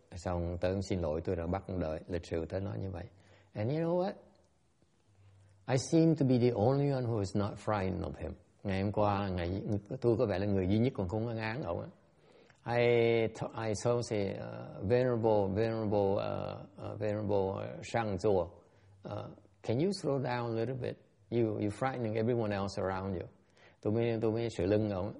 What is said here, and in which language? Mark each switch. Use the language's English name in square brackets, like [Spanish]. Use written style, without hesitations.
[Vietnamese] Xong tới xin lỗi tôi đã bắt đợi, lịch sự tới nói như vậy. [English] And you know what? I seem to be the only one who is not frightened of him. [Vietnamese] Ngày hôm qua, tôi có vẻ là người duy nhất còn không ngán ngán ổng. [English] I saw say, venerable Shang Zuo, can you slow down a little bit? You frightening everyone else around you. [Vietnamese] Tôi mới sửa lưng ổng.